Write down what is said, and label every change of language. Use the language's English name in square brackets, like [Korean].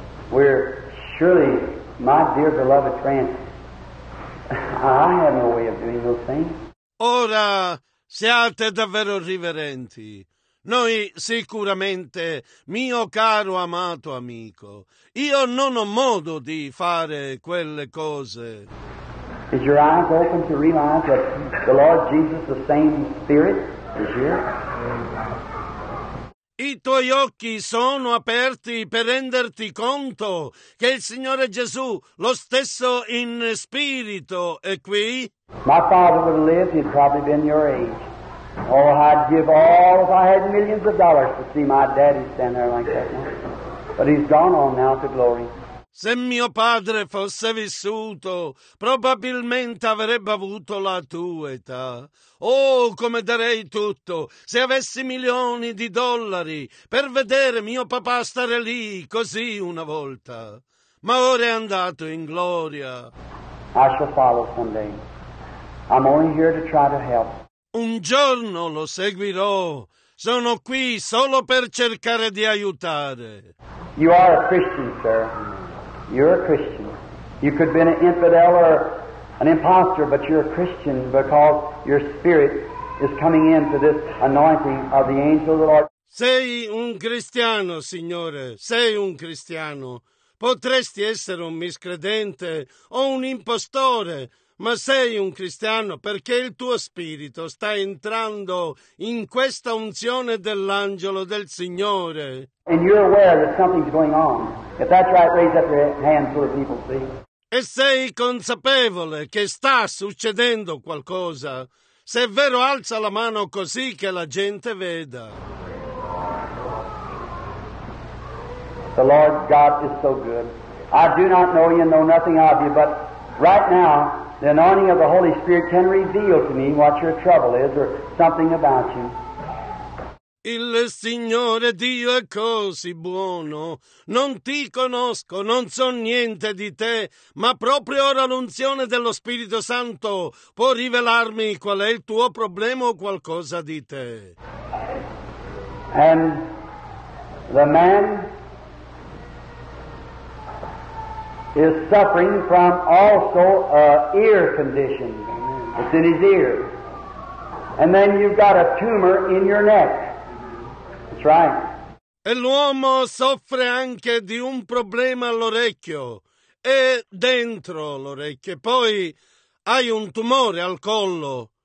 [English] We're surely, my dear beloved friend, I have no way of doing those things. [Italian] Ora, siate davvero riverenti. Noi sicuramente, mio caro amato amico, io non ho modo di fare quelle cose. [English] Is your eyes open to realize that the Lord Jesus, the same Spirit, is here? [Italian] I tuoi occhi sono aperti per renderti conto che il Signore Gesù, lo stesso in spirito, è qui? [English] My father would have lived, he'd probably been your age. Oh, I'd give all if I had millions of dollars to see my daddy stand there like that. Now. But he's gone on now to glory. [Italian] Se mio padre fosse vissuto, probabilmente avrebbe avuto la tua età. Oh, come darei tutto se avessi milioni di dollari per vedere mio papà stare lì così una volta. Ma ora è andato in gloria. [English] I shall follow someday. I'm only here to try to help. [Italian] Un giorno lo seguirò. Sono qui solo per cercare di aiutare. [English] You are a Christian, sir. You're a Christian. You could be an infidel or an impostor, but you're a Christian because your spirit is coming into this anointing of the angel of the Lord. [Italian] Sei un cristiano, Signore, sei un cristiano. Potresti essere un miscredente o un impostore, ma sei un cristiano perché il tuo spirito sta entrando in questa unzione dell'angelo del Signore. [English] And you're aware that something's going on. If that's right, raise up your hand so that people see. [Italian] E sei consapevole che sta succedendo qualcosa. Se è vero, alza la mano così che la gente veda. [English] The Lord God is so good. I do not know you, know nothing of you, but right now the anointing of the Holy Spirit can reveal to me what your trouble is or something about you. [Italian] Il Signore Dio è così buono. Non ti conosco, non so niente di te, ma proprio ora l'unzione dello Spirito Santo può rivelarmi qual è il tuo problema o qualcosa di te. [English] And the man is suffering from also a ear condition. It's in his ear. And then you've got a tumor in your neck. That's right. [Italian] E l'uomo soffre anche di un problema all'orecchio. E dentro l'orecchio. Poi hai un tumore al collo.